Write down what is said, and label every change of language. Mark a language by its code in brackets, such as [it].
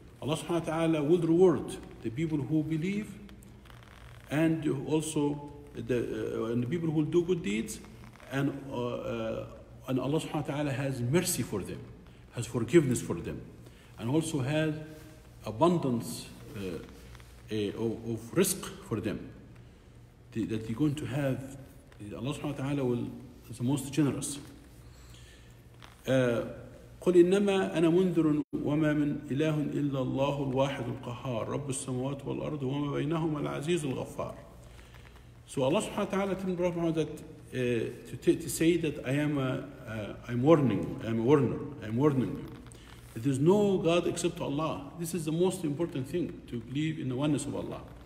[en] Allah subhanahu wa ta'ala will reward the people who believe and also and the people who will do good deeds, and Allah subhanahu wa ta'ala has mercy for them, has forgiveness for them, and also has abundance of risk for them, that you're going to have. Allah subhanahu wa ta'ala is the most generous. [ar] قل إنما أنا منذر وما من إله إلا الله الواحد القهار رب السماوات والأرض وما بينهما العزيز الغفار. [en] So Allah subhanahu wa ta'ala tell Prophet Muhammad that to say that I'm warning you. There is no God except Allah. This is the most important thing, to believe in the oneness of Allah.